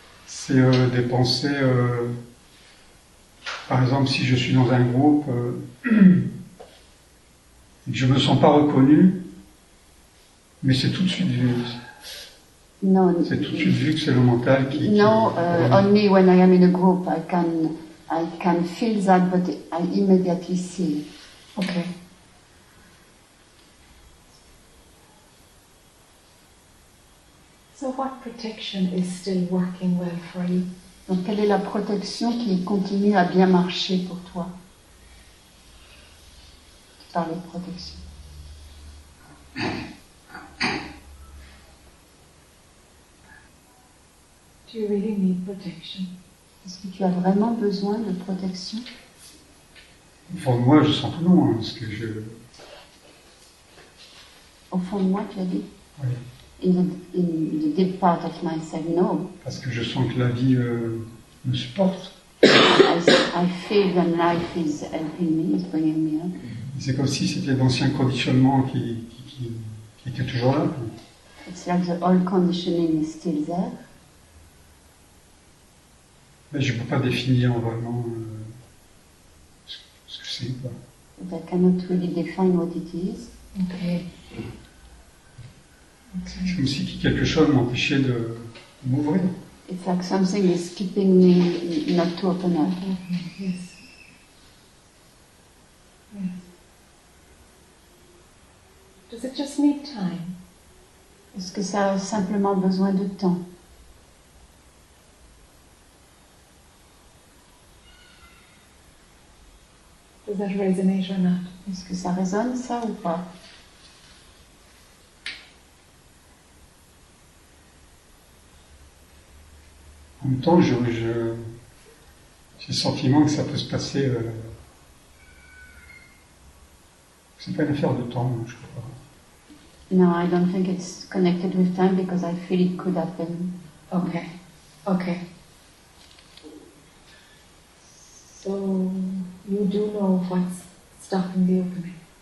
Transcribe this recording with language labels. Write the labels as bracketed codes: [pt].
[fr] C'est des pensées, par exemple, si je suis dans un groupe et que je ne me sens pas reconnu, mais c'est tout de suite vu. Non, c'est tout de suite vu que c'est le mental qui... [en] Non, only when I am in a group, I can feel that, but I immediately see. Ok. So what protection is still working well for you? [fr] Donc quelle est la protection qui continue à bien marcher pour toi? Tu parles de protection. [en] Do you really need protection? [fr] Est-ce que tu as vraiment besoin de protection? Pour moi, je sens que non, parce que je... Au fond de moi, tu as dit? Oui. [en] In the deep part of myself, no. [fr] Parce que je sens que la vie me supporte. [en] I feel that life is helping me, is bringing me up. [fr] C'est comme si c'était d'anciens conditionnements qui étaient toujours là. [en] It's like the old conditioning is still there. [fr] Mais je ne peux pas définir vraiment ce que c'est. [en] But I cannot really define what it is. Okay. [fr] C'est comme si quelque chose m'empêchait de m'ouvrir. [en] It's like something is keeping me not to open up. Okay. Yes. Does it just need time? [fr] Est-ce que ça a simplement besoin de temps? [en] Does that resonate or not? [fr] Est-ce que ça résonne ça ou pas? En même temps, j'ai le sentiment que ça peut se passer. C'est pas une affaire de temps, je crois. [en] No, I don't think it's connected with time because I feel it could happen. Okay. Okay. So you do know what's stopping the opening.